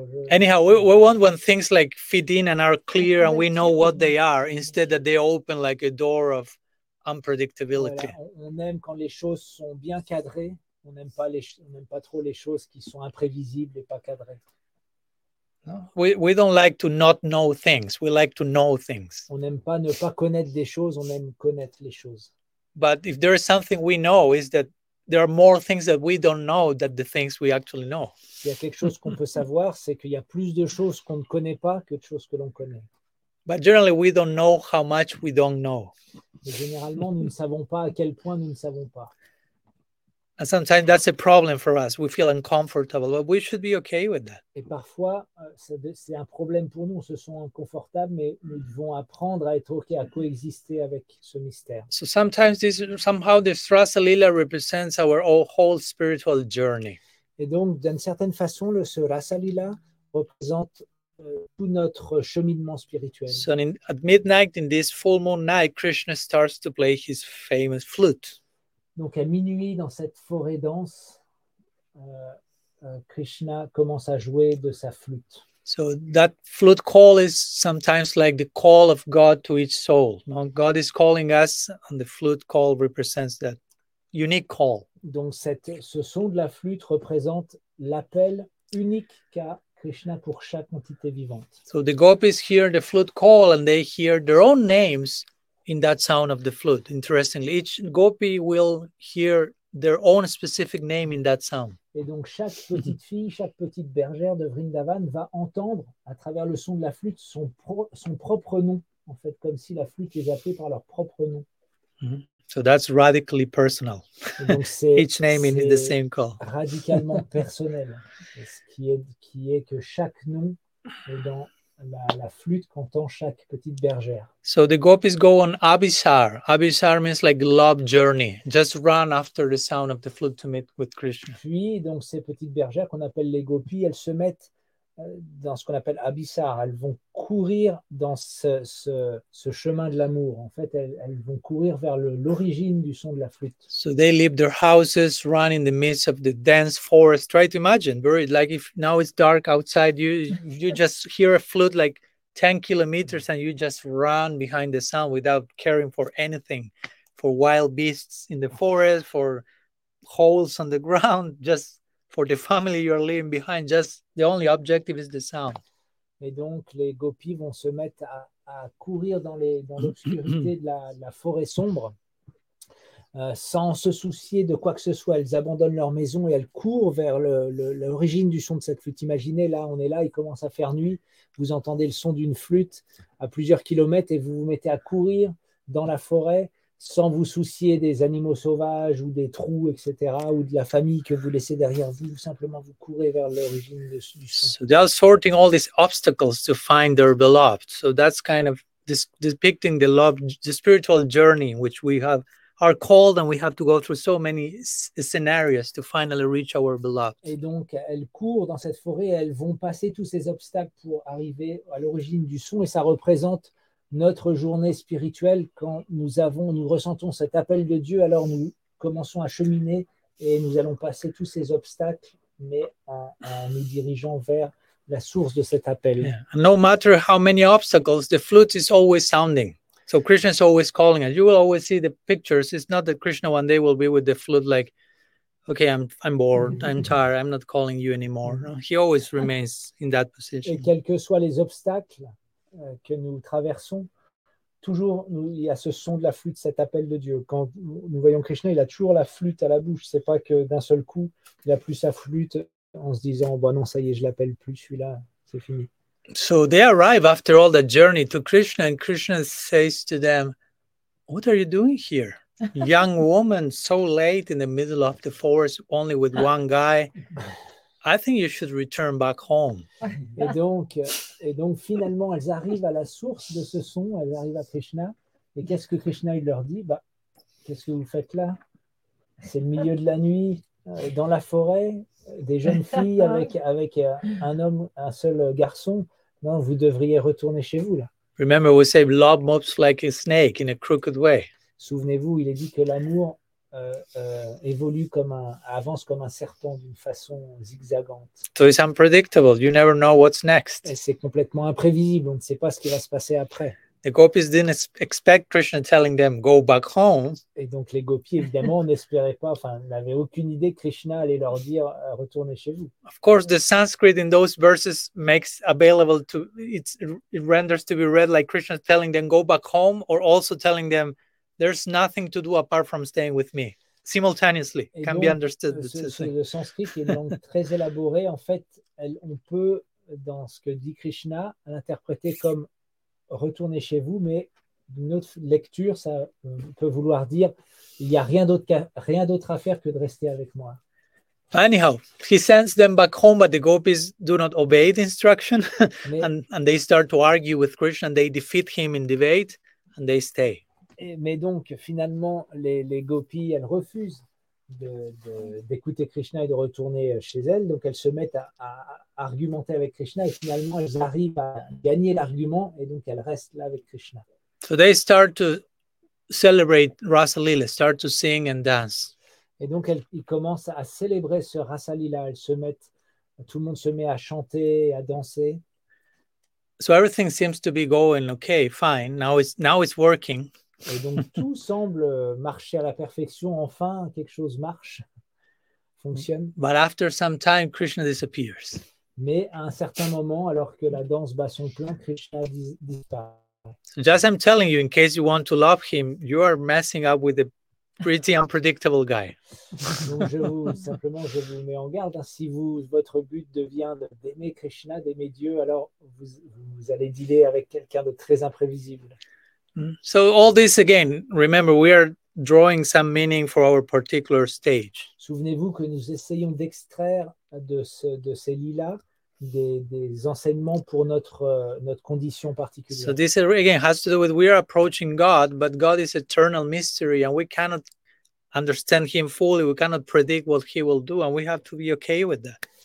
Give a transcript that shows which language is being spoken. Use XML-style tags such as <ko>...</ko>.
<en>Anyhow, we want when things like fit in and are clear and we know what they are, instead that they open like a door of unpredictability.</en> <fr>On aime quand les choses sont bien cadrées. On n'aime pas trop les choses qui sont imprévisibles et pas cadrées.</fr> <en>We don't like to not know things. We like to know things.</en> <fr>On n'aime pas ne pas connaître des choses. On aime connaître les choses.</fr> <en>But if there is something we know, is that there are more things that we don't know than the things we actually know.</en> <fr>Il y a quelque chose qu'on peut savoir, c'est qu'il y a plus de choses qu'on ne connaît pas que de choses que l'on connaît.</fr> <en>But generally, we don't know how much we don't know.</en> <fr>Mais généralement, nous ne savons pas à quel point nous ne savons pas.</fr> <en>And sometimes that's a problem for us. We feel uncomfortable, but we should be okay with that.</en> <fr>Et parfois, c'est un problème pour nous. On se sent inconfortable, mais nous devons apprendre à être okay, à coexister avec ce mystère.</fr> <en>So sometimes this, somehow this Rasalila represents our whole spiritual journey.</en> <fr>Et donc, d'une certaine façon, ce Rasalila représente tout notre cheminement spirituel.</fr> <en>So at midnight, in this full moon night, Krishna starts to play his famous flute.</en> <fr>Donc à minuit dans cette forêt dense, Krishna commence à jouer de sa flûte.</fr> <en>So that flute call is sometimes like the call of God to each soul. Now God is calling us, and the flute call represents that unique call.</en> <fr>Donc ce son de la flûte représente l'appel unique qu'a Krishna pour chaque entité vivante.</fr> <en>So the gopis hear the flute call and they hear their own names in that sound of the flute. Interestingly, each gopi will hear their own specific name in that sound.</en> <fr>Et donc chaque petite fille, chaque petite bergère de Vrindavan va entendre à travers le son de la flûte son propre nom, en fait, comme si la flûte les appelait par leur propre nom.</fr> <en>Mm-hmm. So that's radically personal.</en> <fr>Donc c'est,</fr> <en>each name</en> <fr>c'est</fr> <en>in the same call.</en> <fr>Radicalement personnel. Ce qui est que chaque nom est dans la flûte qu'entend chaque petite bergère.</fr> <en>So the gopis go on abhisar. Abhisar means like love journey. Just run after the sound of the flute to meet with Krishna.</en> <fr>Puis, donc, ces petites bergères qu'on appelle les gopis, elles se mettent dans ce qu'on appelle abhisar. Elles vont courir dans ce chemin de l'amour. En fait, elles vont courir vers l'origine du son de la flûte.</fr> <en>So they leave their houses, run in the midst of the dense forest. Try to imagine, Buri, like if now it's dark outside, you just hear a flute like 10 kilometers and you just run behind the sound without caring for anything, for wild beasts in the forest, for holes on the ground, just for the family you're leaving behind, just the only objective is the sound.</en> <fr>Et donc, les gopis vont se mettre à courir dans l'obscurité de la forêt sombre, sans se soucier de quoi que ce soit. Elles abandonnent leur maison et elles courent vers l'origine du son de cette flûte. Imaginez, là, on est là, il commence à faire nuit. Vous entendez le son d'une flûte à plusieurs kilomètres et vous vous mettez à courir dans la forêt sans vous soucier des animaux sauvages ou des trous, etc., ou de la famille que vous laissez derrière vous. Simplement, vous courez vers l'origine du son.</fr> <en>So they are sorting all these obstacles to find their beloved. So that's kind of depicting the love, the spiritual journey which we have. Are called and we have to go through so many scenarios to finally reach our beloved.</en> <fr>Et donc elles courent dans cette forêt, elles vont passer tous ces obstacles pour arriver à l'origine du son, et ça représente notre journée spirituelle quand nous ressentons cet appel de Dieu. Alors nous commençons à cheminer et nous allons passer tous ces obstacles, mais en nous dirigeant vers la source de cet appel.</fr> <en>Yeah. No matter how many obstacles, the flute is always sounding. So Krishna is always calling us. You will always see the pictures. It's not that Krishna one day will be with the flute like, okay, I'm bored, I'm tired, I'm not calling you anymore. No, he always remains in that position.</en> <fr>Et quels que soient les obstacles que nous traversons, toujours il y a ce son de la flûte, cet appel de Dieu. Quand nous voyons Krishna, il a toujours la flûte à la bouche. C'est pas que d'un seul coup, il a plus sa flûte en se disant, bon, non, ça y est, je l'appelle plus, celui-là, c'est fini.</fr> <en>So they arrive after all the journey to Krishna, and Krishna says to them, what are you doing here? Young woman, so late in the middle of the forest, only with one guy. I think you should return back home.</en> <fr>Et donc, finalement, elles arrivent à la source de ce son, elles arrivent à Krishna. Et qu'est-ce que Krishna il leur dit? Bah, qu'est-ce que vous faites là? C'est le milieu de la nuit, dans la forêt, des jeunes filles avec un homme, un seul garçon. Non, vous devriez retourner chez vous, là.</fr> <en>Remember, we say love moves like a snake in a crooked way.</en> <fr>Souvenez-vous, il est dit que l'amour évolue avance comme un serpent d'une façon zigzagante.</fr> <en>So it's unpredictable. You never know what's next.</en> <fr>Et c'est complètement imprévisible. On ne sait pas ce qui va se passer après.</fr> <en>The gopis didn't expect Krishna telling them, go back home.</en> <fr>Et donc les gopis, évidemment, n'espéraient pas, enfin, n'avaient aucune idée que Krishna allait leur dire, retournez chez vous.</fr> <en>Of course, the Sanskrit in those verses makes available to, it renders to be read like Krishna telling them, go back home, or also telling them, there's nothing to do apart from staying with me. Simultaneously,</en> <fr>et</fr> <en>can</en> <fr>donc,</fr> <en>be understood.</en> <fr>Le Sanskrit est donc très élaboré. En fait, on peut, dans ce que dit Krishna, l'interpréter comme, retournez chez vous, mais d'une autre lecture, ça peut vouloir dire il n'y a rien d'autre à faire que de rester avec moi.</fr> <en>Anyhow, he sends them back home, but the gopis do not obey the instruction, and they start to argue with Krishna, and they defeat him in debate, and they stay.</en> <fr>Mais donc, finalement, les gopis, elles refusent d'écouter Krishna et de retourner chez elles, donc elles se mettent à argumenter avec Krishna, et finalement elles arrivent à gagner l'argument, et donc elles restent là avec Krishna.</fr> <en>So they start to celebrate Rasa Lila, start to sing and dance.</en> <fr>Et donc ils commencent à célébrer ce Rasa Lila, tout le monde se met à chanter, à danser.</fr> <en>So everything seems to be going okay, fine, now it's working.</en> <fr>Et donc tout semble marcher à la perfection, enfin quelque chose marche, fonctionne.</fr> <en>But after some time, Krishna disappears.</en> <fr>Mais à un certain moment, alors que la danse bat son plein, Krishna disparaît.</fr> <en>So just I'm telling you, in case you want to love him, you are messing up with a pretty unpredictable guy.</en> <fr>Donc je vous mets en garde, hein, si votre but devient d'aimer Krishna, d'aimer Dieu, alors vous allez dealer avec quelqu'un de très imprévisible.</fr> <en>So all this again, remember, we are drawing some meaning for our particular stage.</en> <fr>Souvenez-vous que nous essayons d'extraire de ces lilas des enseignements pour notre condition particulière.</fr> <en>So this again has to do with we are approaching God, but God is eternal mystery and we cannot understand him fully, we cannot predict what he will do, and we have to be okay with that.</en>